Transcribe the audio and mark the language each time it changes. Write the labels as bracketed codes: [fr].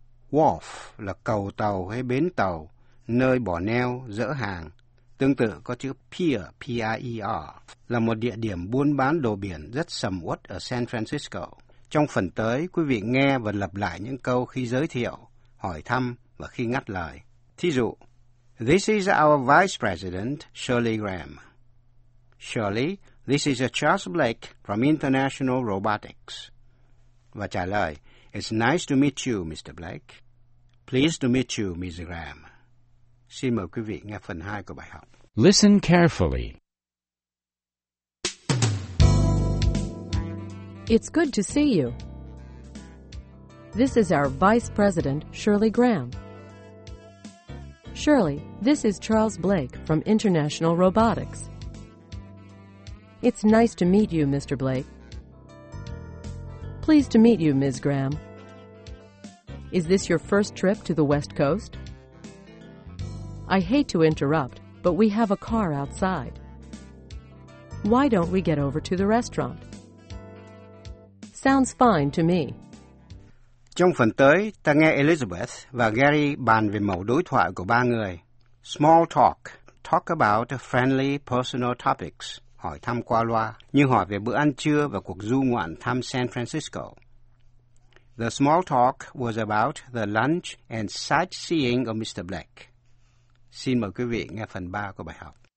[vi] Wharf là cầu tàu hay bến tàu, nơi bỏ neo, dỡ hàng. Tương tự có chữ pier, P-I-E-R, là một địa điểm buôn bán đồ biển rất sầm uất ở San Francisco. Trong phần tới, quý vị nghe và lặp lại những câu khi giới thiệu, hỏi thăm và khi ngắt lời. Thí dụ, [en] "This is our Vice President, Shirley Graham." "Shirley, this is Charles Blake from International Robotics." [vi] Và trả lời, [en] "It's nice to meet you, Mr. Blake. Pleased to meet you, Ms. Graham." [vi] Xin mời quý vị nghe phần 2 của bài học. [en] Listen carefully. "It's good to see you. This is our Vice President, Shirley Graham." "Shirley, this is Charles Blake from International Robotics." "It's nice to meet you, Mr. Blake." "Pleased to meet you, Ms. Graham." "Is this your first trip to the West Coast?" "I hate to interrupt, but we have a car outside. Why don't we get over to the restaurant?" "Sounds fine to me." [vi] Trong phần tới, ta nghe Elizabeth và Gary bàn về mẫu đối thoại của ba người. [en] Small talk, talk about friendly personal topics, [vi] hỏi thăm qua loa, như hỏi về bữa ăn trưa và cuộc du ngoạn thăm San Francisco. [en] The small talk was about the lunch and sightseeing of Mr. Blake. [vi] Xin mời quý vị nghe phần 3 của bài học.